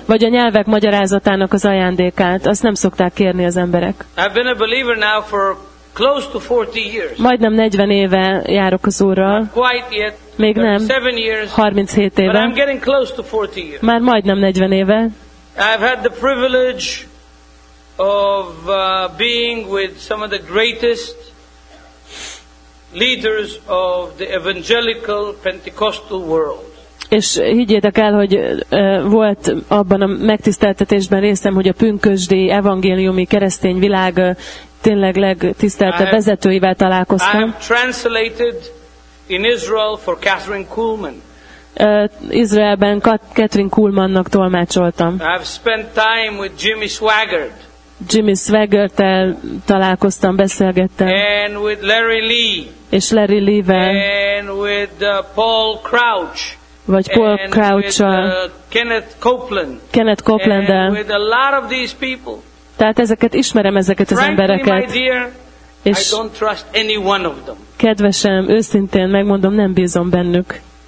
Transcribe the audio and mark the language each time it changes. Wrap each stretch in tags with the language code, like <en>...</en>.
<hu>vagy a nyelvek magyarázatának az ajándékát. Azt nem szokták kérni az emberek.</hu> <en>I've been a believer now for close to 40 years.</en> <hu>Majdnem 40 éve járok az Úrral.</hu> <en>Not quite yet.</en> <hu>Még nem. 37 éve.</hu> <en>But I'm getting close to 40 years.</en> <hu>Már majdnem 40 éve.</hu> <en>I've had the privilege of being with some of the greatest leaders of the evangelical Pentecostal world.</en> <hu>És higgyétek el, hogy volt abban a megtiszteltetésben részem, hogy a pünkösdi evangéliumi keresztény világ tényleg legtiszteltebb vezetőivel találkoztam.</hu> <en>I have translated in Israel for Catherine Kuhlman.</en> <hu>Izraelben Catherine Kuhlmannak tolmácsoltam.</hu> <en>I have spent time with Jimmy Swaggart.</en> <hu>Jimmy Swaggerttel találkoztam, beszélgettem.</hu> <en>And with Larry Lee.</en> <hu>És Larry Lee-vel.</hu> <en>And with Paul Crouch.</en> <hu>Vagy Paul Crouch-sal.</hu> <en>Kenneth</en> <hu>Copeland-del.</hu> <en>And with a lot of these people.</en> <hu>Tehát ezeket ismerem, ezeket az embereket.</hu> <en>Frankly, my dear, I don't trust any one of them.</en> <hu>Kedvesem, őszintén megmondom, nem bízom bennük.</hu>